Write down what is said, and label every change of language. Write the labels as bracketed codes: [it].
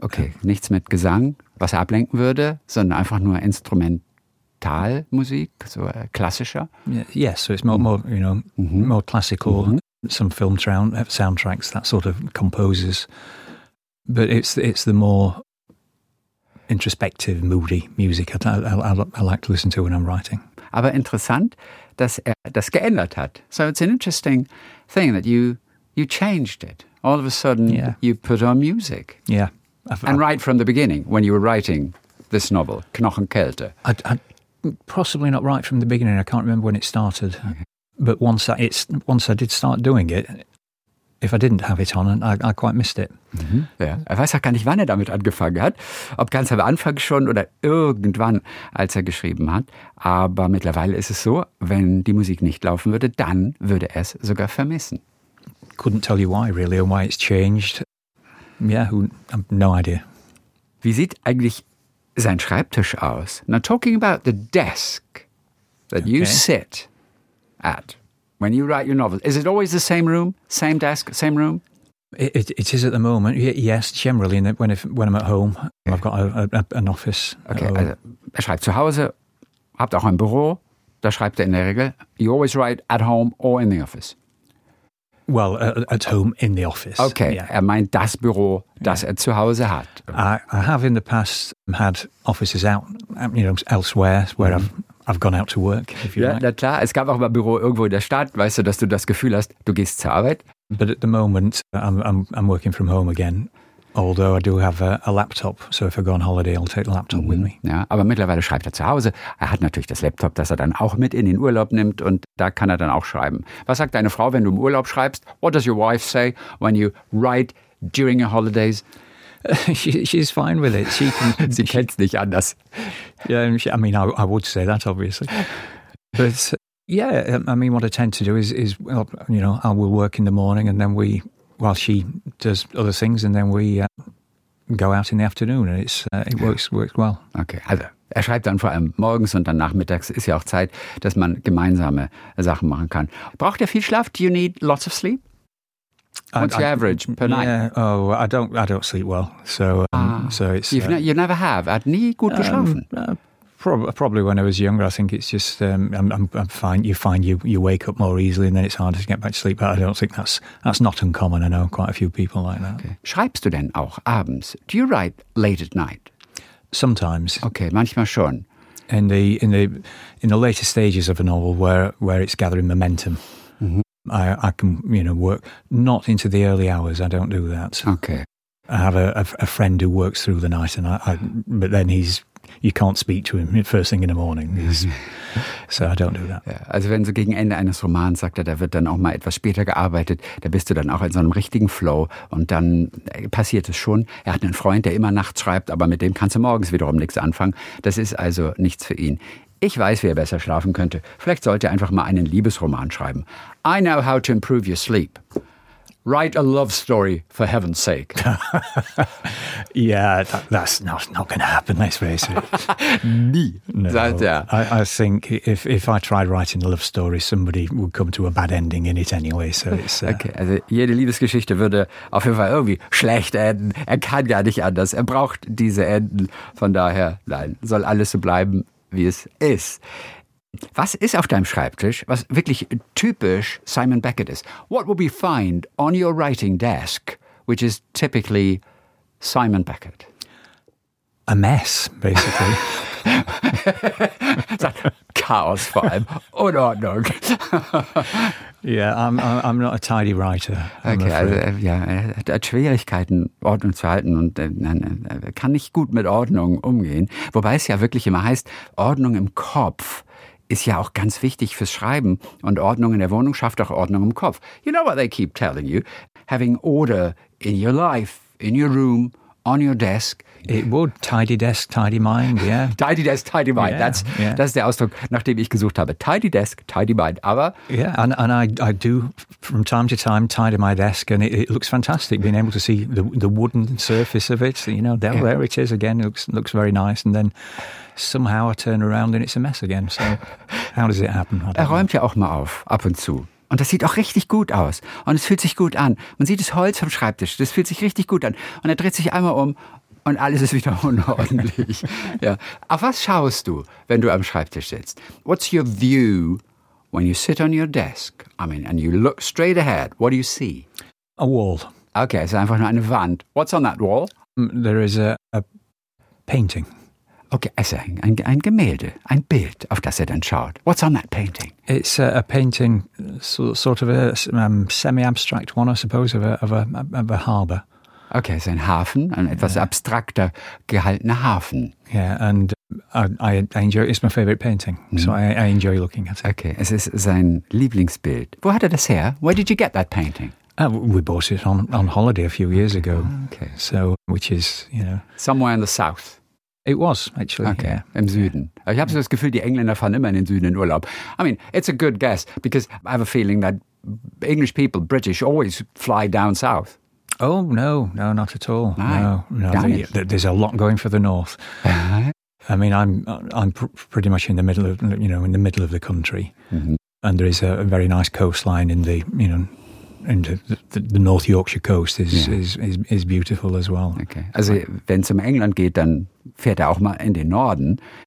[de] Okay, nichts mit Gesang, was ablenken würde, sondern einfach nur Instrumentalmusik, so klassischer. [en] Yes, so it's more classical, some film soundtracks, that sort of composers. But it's the more introspective, moody music I like to listen to when I'm writing. [de] Aber interessant, dass er das geändert hat. [en] So it's an interesting thing that you changed it. All of a sudden, you put on music. Yeah. And right from the beginning, when you were writing this novel, Knochenkälte. Possibly not right from the beginning. I can't remember when it started. Okay. But once I did start doing it, if I didn't have it on, I quite missed it. Mm-hmm. Ja. [de] Er weiß auch gar nicht, wann er damit angefangen hat. Ob ganz am Anfang schon oder irgendwann, als er geschrieben hat. Aber mittlerweile ist es so, wenn die Musik nicht laufen würde, dann würde er es sogar vermissen. [en] Couldn't tell you why, really, and why it's changed. Yeah, no idea. [de] Wie sieht eigentlich sein Schreibtisch aus? [en] Now, talking about the desk that you sit at when you write your novels, is it always the same room, same desk, same room? It is at the moment, yes, generally, when I'm at home, I've got an office. [de] Okay, also, er schreibt zu Hause, habt auch ein Büro, da schreibt er in der Regel. [en] You always write at home or in the office? Well, at home in the office. [de] Okay, yeah. Er meint das Büro, das er zu Hause hat. [en] I have in the past had offices out, you know, elsewhere, where I've gone out to work, if you like. [de] Ja, na klar, es gab auch mal Büro irgendwo in der Stadt, weißt du, dass du das Gefühl hast, du gehst zur Arbeit. [en] But at the moment, I'm working from home again, although I do have a laptop, so if I go on holiday, I'll take the laptop with me. [de] Ja, aber mittlerweile schreibt er zu Hause. Er hat natürlich das Laptop, das er dann auch mit in den Urlaub nimmt und da kann er dann auch schreiben. Was sagt deine Frau, wenn du im Urlaub schreibst? [en] What does your wife say when you write during your holidays? She's fine with it. She can, [de] sie kennt's nicht anders. [en] Yeah, I mean, I would say that, obviously. But yeah, I mean, what I tend to do is, you know, I will work in the morning and then while she does other things and then we go out in the afternoon and it works well. [de] Okay, also er schreibt dann vor allem morgens und dann nachmittags. Ist ja auch Zeit, dass man gemeinsame Sachen machen kann. Braucht er viel Schlaf? [en] Do you need lots of sleep? What's your average per night? Yeah, oh, I don't sleep well. So it's you never have. [de] Had nie gut geschlafen. [en] Probably when I was younger, I think it's just I'm fine. You find you wake up more easily, and then it's harder to get back to sleep. But I don't think that's not uncommon. I know quite a few people like that. Okay. [de] Schreibst du denn auch abends? [en] Do you write late at night? Sometimes. [de] Okay, manchmal schon. [en] In the later stages of a novel, where it's gathering momentum. I can, you know, work not into the early hours. I don't do that. Okay. I have a friend who works through the night, and I but then he's, you can't speak to him first thing in the morning. So I don't do that. [de] Ja, also wenn so gegen Ende eines Romans, sagt er, da wird dann auch mal etwas später gearbeitet, da bist du dann auch in so einem richtigen Flow und dann passiert es schon. Er hat einen Freund, der immer nachts schreibt, aber mit dem kannst du morgens wiederum nichts anfangen. Das ist also nichts für ihn. Ich weiß, wie er besser schlafen könnte. Vielleicht sollte er einfach mal einen Liebesroman schreiben. [en] I know how to improve your sleep. Write a love story, for heaven's sake. Yeah, that's not going to happen, let's face it. Nie. No, that, yeah. I think if I tried writing a love story, somebody would come to a bad ending in it anyway. So it's, [de] okay, also jede Liebesgeschichte würde auf jeden Fall irgendwie schlecht enden. Er kann gar nicht anders. Er braucht diese Enden. Von daher, nein, soll alles so bleiben, wie es ist. Was ist auf deinem Schreibtisch, was wirklich typisch Simon Beckett ist? [en] What would we find on your writing desk, which is typically Simon Beckett? A mess, basically. [de] Chaos vor allem. Unordnung. [en] Yeah, I'm not a tidy writer. I'm okay, afraid. [de] Also ja, er hat Schwierigkeiten, Ordnung zu halten und kann nicht gut mit Ordnung umgehen. Wobei es ja wirklich immer heißt, Ordnung im Kopf ist ja auch ganz wichtig fürs Schreiben. Und Ordnung in der Wohnung schafft auch Ordnung im Kopf. [en] You know what they keep telling you? Having order in your life, in your room, on your desk. It would. Tidy desk, tidy mind, yeah. Tidy desk, tidy mind. [de] Yeah, das ist der Ausdruck, nach dem ich gesucht habe. [en] Tidy desk, tidy mind. Aber yeah, and I do from time to time tidy my desk and it looks fantastic. Being able to see the wooden surface of it, you know, there it is again. It looks very nice and then somehow I turn around and it's a mess again. So how does it happen? [de] Er räumt ja auch mal auf, ab und zu. Und das sieht auch richtig gut aus. Und es fühlt sich gut an. Man sieht das Holz vom Schreibtisch. Das fühlt sich richtig gut an. Und er dreht sich einmal um und alles ist wieder unordentlich. Ja. Auf was schaust du, wenn du am Schreibtisch sitzt? [en] What's your view when you sit on your desk? I mean, and you look straight ahead. What do you see? A wall. [de] Okay, es ist einfach nur eine Wand. [en] What's on that wall? There is a painting. [de] Okay, also ein Gemälde, ein Bild, auf das er dann schaut. [en] What's on that painting? It's a painting, sort of a semi-abstract one, I suppose, of a harbour. [de] Okay, so ein Hafen, ein etwas abstrakter gehaltener Hafen. [en] Yeah, and I enjoy it. It's my favourite painting, so I enjoy looking at it. [de] Okay, es ist sein Lieblingsbild. Wo hat er das her? [en] Where did you get that painting? We bought it on holiday a few years ago. Okay. So, which is, you know... Somewhere in the south. It was, actually. Okay, yeah. [de] Im Süden. Ich habe so das Gefühl, die Engländer fahren immer in den Süden in Urlaub. [en] I mean, it's a good guess, because I have a feeling that English people, British, always fly down south. Oh, no, not at all. [de] Nein. [en] No, there's a lot going for the north. I mean, I'm pretty much in the middle of, you know, in the middle of the country. Mm-hmm. And there is a very nice coastline in the, you know, and the North Yorkshire coast is beautiful as well. Okay. [de] Also wenn es um England geht, dann fährt er auch mal in den Norden.